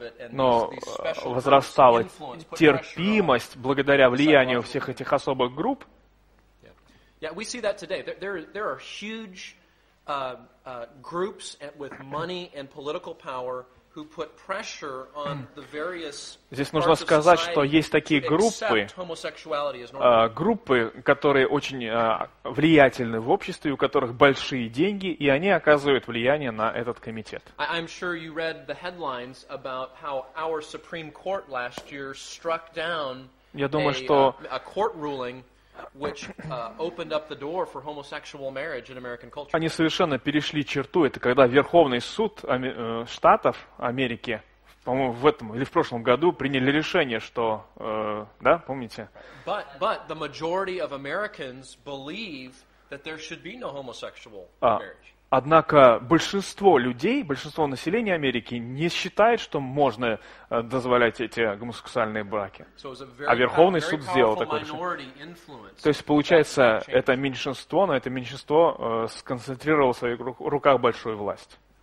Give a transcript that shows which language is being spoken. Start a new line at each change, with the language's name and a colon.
Russian: Но возрастала терпимость благодаря влиянию всех этих особых групп.
English: Yeah, we see that today. There are huge groups with money and political power who put pressure on the various parts of society.
Russian: Здесь нужно сказать, что есть такие группы, группы, которые очень влиятельны в обществе, у которых большие деньги, и они оказывают влияние на этот комитет.
English: I'm sure you read the headlines about how our Supreme Court last year struck down a court ruling. Which opened up the door for homosexual marriage in American culture.
Russian: Они совершенно перешли черту. Это когда Верховный суд штатов Америки, по-моему, в этом или в прошлом году приняли решение, что, да, помните?
English: But the majority of Americans believe that there should be no homosexual marriage.
Russian: Однако большинство людей, большинство населения Америки не считает, что можно дозволять эти гомосексуальные браки. А Верховный суд сделал такое решение. То есть, получается, это меньшинство, но это меньшинство сконцентрировало в своих руках большую власть.